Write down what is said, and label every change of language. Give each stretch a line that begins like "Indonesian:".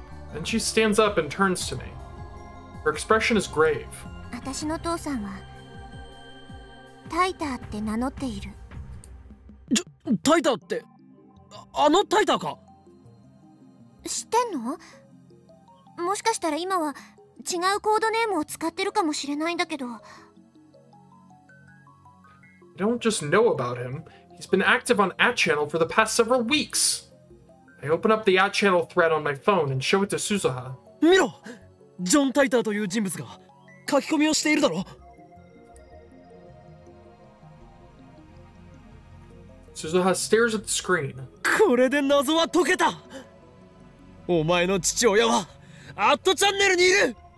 English: And she stands up and turns to me. Her expression is grave.
Japanese: 私の父さんは、タイターって名乗っている。タイターって、あのタイターか。知ってんの？もしかしたら今は違うコードネームを使ってるかもしれないんだけど。
English: I don't just know about him. He's been active on At Channel for the past several weeks. I open up the At Channel thread on my phone and show it to Suzuha.
Japanese: 見ろ！ジョン・タイターという人物が書き込みをしているだろ。
English: Suzuha stares at the screen.
Japanese: これで謎は解けた。お前の父親はアットチャンネルにいる。